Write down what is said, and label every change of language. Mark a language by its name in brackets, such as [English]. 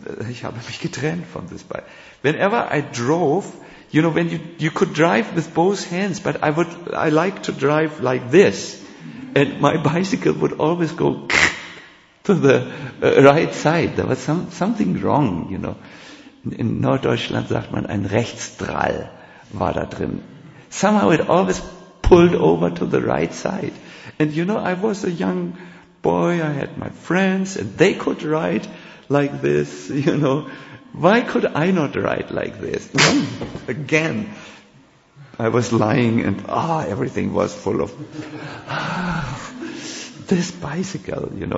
[German] Ich habe mich getrennt von [English] this bike. Whenever I drove, you know, when you could drive with both hands, but I like to drive like this, and my bicycle would always go to the right side. There was something wrong, you know. [German] In Norddeutschland sagt man, ein Rechtsdrall war da drin. [English] Somehow it always pulled over to the right side. And you know, I was a young boy, I had my friends, and they could ride like this, you know. Why could I not ride like this? Again, I was lying and everything was full of this bicycle, you know.